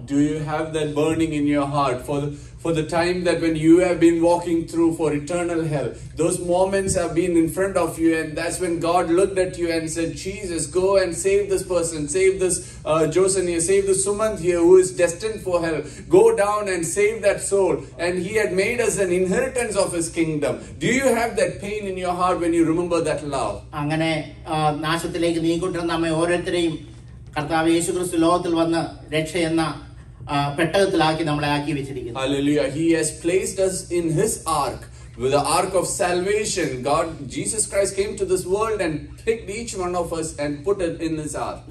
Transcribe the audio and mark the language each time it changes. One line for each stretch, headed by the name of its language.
English: Do you have that burning in your heart for the time that when you have been walking through for eternal hell, those moments have been in front of you, and that's when God looked at you and said, Jesus, go and save this person, save this Josen here, save this Sumant here who is destined for hell, go down and save that soul, and he had made us an inheritance of his kingdom. Do you have that pain in your heart when you remember that love?
Malayalam: അങ്ങനെ നാശത്തിലേക്ക് നീങ്ങിക്കൊണ്ടിരുന്ന നമ്മെ ഓരോരുത്തരെയും കർത്താവ് യേശുക്രിസ്തു ലോകത്തിൽ വന്ന് രക്ഷ എന്ന പെട്ടകത്തിലാക്കി നമ്മളെ ആക്കി വെച്ചിരിക്കുന്നു.
English: Hallelujah. He has placed us in his ark with the ark of salvation. God Jesus Christ came to this world and picked each one of us and put it in his ark.